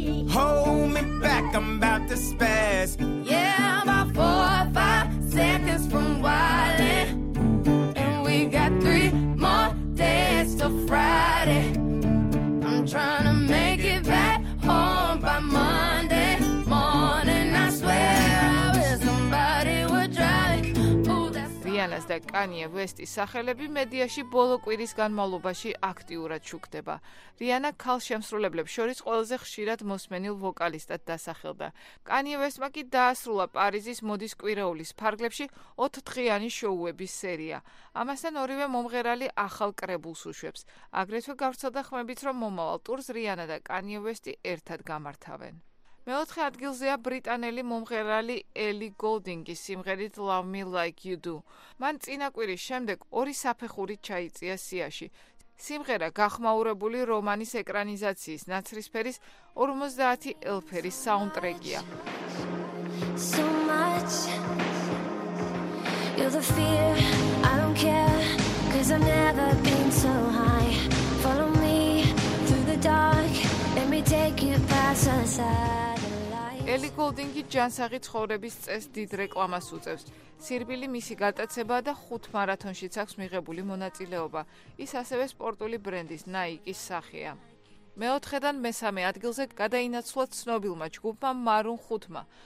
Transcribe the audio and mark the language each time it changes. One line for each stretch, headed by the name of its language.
English: Hold me back, I'm about to spaz. Yeah, I'm about 4 or 5 seconds from wildin'. And we got 3 more days till Friday. I'm trying to make it back home by Monday morning. I swear I wish somebody would drive.
Georgian: რიანას და კანია ვესტის სახელები მედიაში ბოლო კვირის განმავლობაში აქტიურად შუქდება. რიანა ქალშემსრულებლებს შორის ყველაზე ხშირად მოსმენილ ვოკალისტად დასახელდა. კანია ვესტმა კი დაასრულა პარიზის მოდის კვირეულის ფარგლებში 4-დღიანი შოუების სერია. ამასთან ორივე მომღერალი ახალ კრებულს უშვებს. აგრეთვე გავრცელდა ხმებით, რომ მომავალ ტურს რიანა და კანია ვესტი ერთად გამართავენ. მეოთხე ადგილზეა ბრიტანელი მომღერალი ელი გოლდინგის სიმღერით Love Me Like You Do. მან წინა კვირის შემდეგ ორი საფეხურით ჩაიწია სიაში. სიმღერა გახმაურებული რომანის ეკრანიზაციის ნაცრისფერის 50 ელფერის საუნდტრეკია.
English: So much you're the fear, I don't care, cuz I've never been so high. Follow me through the dark, let me take you past the side.
Georgian: ელი გოლდინგი ჯანსაღი ცხოვრების წეს დიდ რეკლამას უწევს. სირბილი მისი გატაცება და 5 მარათონშიც აქვს მიღებული მონაწილეობა. ის ასევე სპორტული ბრენდის Nike-ის სახეა. მეოთხედან მესამე ადგილზე გადაინაცვლა ცნობილმა ჯგუფმა Maroon 5-მა.